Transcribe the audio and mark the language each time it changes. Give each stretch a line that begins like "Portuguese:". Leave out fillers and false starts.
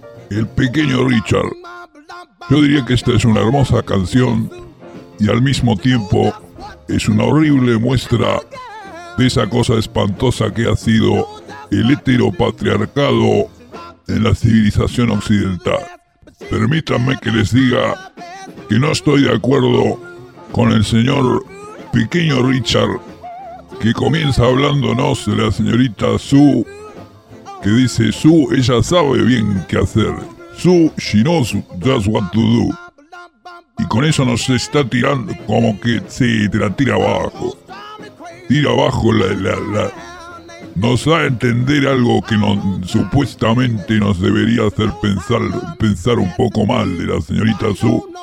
Spanish: El pequeño Richard. Yo diría que esta es una hermosa canción y al mismo tiempo es una horrible muestra de esa cosa espantosa que ha sido el heteropatriarcado en la civilización occidental. Permítanme que les diga que no estoy de acuerdo con el señor Pequeño Richard, que comienza hablándonos de la señorita Sue, que dice, Sue, ella sabe bien qué hacer.
English: Sue, she knows just what to do.
Spanish: Y con eso nos está tirando como que se te la tira abajo. Tira abajo la nos da a entender algo que no, supuestamente nos debería hacer pensar un poco mal de la señorita Sue.